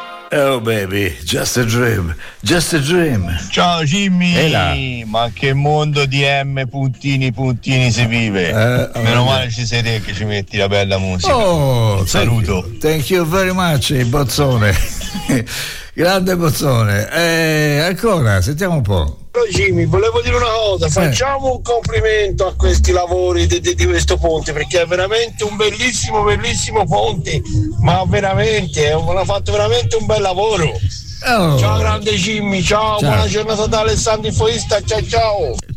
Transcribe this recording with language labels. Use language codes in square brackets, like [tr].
[en] Just a dream, just a dream. [it] Ciao Jimmy, ma che mondo di M puntini puntini si vive. Meno male ci sei te che ci metti la bella musica. Oh, saluto. [en] Thank you very much, Bozzone. [it] Grande Bozzone. Ancora, sentiamo un po'. Jimmy, volevo dire una cosa, facciamo un complimento a questi lavori di questo ponte, perché è veramente un bellissimo, bellissimo ponte, ma veramente, ha fatto veramente un bel lavoro. Oh. Ciao grande Jimmy, ciao, buona giornata da Alessandro Foista, ciao.